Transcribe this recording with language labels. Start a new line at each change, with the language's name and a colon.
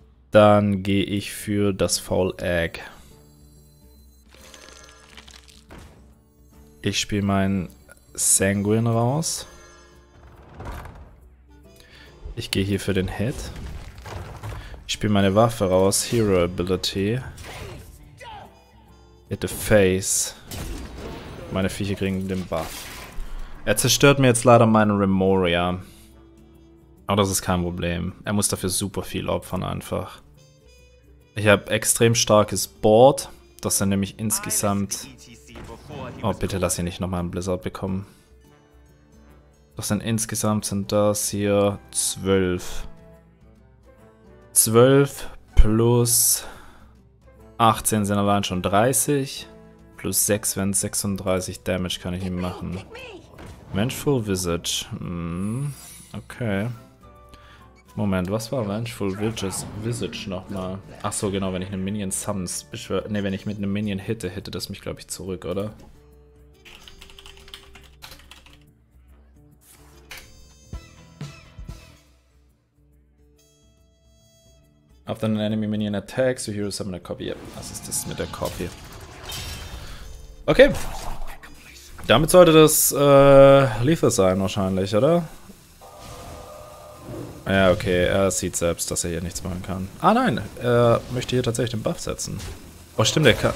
German: Dann gehe ich für das Foul Egg. Ich spiele meinen Sanguine raus. Ich gehe hier für den Hit. Ich spiele meine Waffe raus.
English: Hero Ability. Hit the Face.
German: Meine Viecher kriegen den Buff. Er zerstört mir jetzt leider meinen Remoria. Aber das ist kein Problem. Er muss dafür super viel opfern einfach. Ich habe extrem starkes Board, das er nämlich insgesamt... Oh, bitte lass ihn nicht nochmal einen Blizzard bekommen. Das sind insgesamt sind das hier 12. 12 plus 18 sind allein schon 30. Plus 6 wären 36 Damage, kann ich ihm machen. Vengeful Visage. Okay. Moment, was war Vengeful Visage nochmal? Achso, genau, wenn ich einen Minion summons. Ne, wenn ich mit einem Minion hitte, hitte das mich, glaube ich, zurück, oder?
English: After an enemy minion attacks, you hear a summon a copy.
German: Ja, was ist das mit der Copy? Okay. Damit sollte das Lethal sein wahrscheinlich, oder? Ja, okay, er sieht selbst, dass er hier nichts machen kann. Ah nein, er möchte hier tatsächlich den Buff setzen. Oh stimmt, er kann...